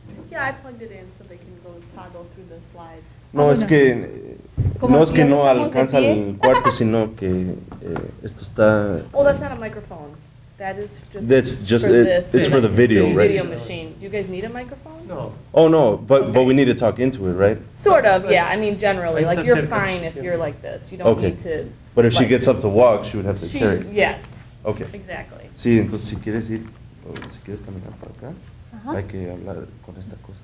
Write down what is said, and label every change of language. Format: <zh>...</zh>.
<en>Yeah, I plugged it in so they can go toggle through the slides.</en> <es>No, es que, no es que no alcanza el cuarto, sino que esto está.</es> <en>Oh, that's not a microphone. That is just. That's just, it's for the video, right? Video machine. Do you guys need a microphone? No. Oh, no, but we need to talk into it, right? Sort of, yeah, I mean, generally, like, you're fine if you're like this, you don't need to. But if she gets up to walk, she would have to carry. Yes. Okay. Exactly.</en> <es>Sí, entonces si quieres ir, o si quieres caminar para acá, hay que hablar con esta cosa.</es>